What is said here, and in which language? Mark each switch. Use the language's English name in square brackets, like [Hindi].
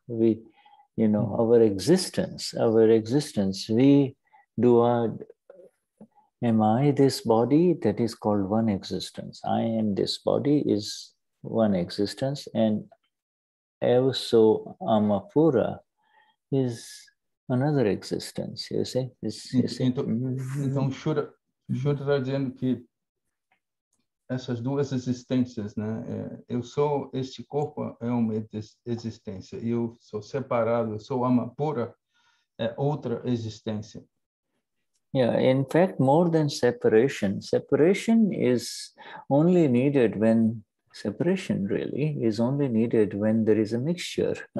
[English] We, you know, mm-hmm. our existence, we do our. Am I this body? That is called one existence. I am this body is one existence. And also Amapura is another existence, you see? [Portuguese] Então, Shuddha está dizendo que essas duas existências, né? Eu sou, este corpo é uma existência. Eu sou separado, eu sou Amapura, é outra existência. [English] Yeah, in fact, more than separation. Separation is only needed when there is a mixture.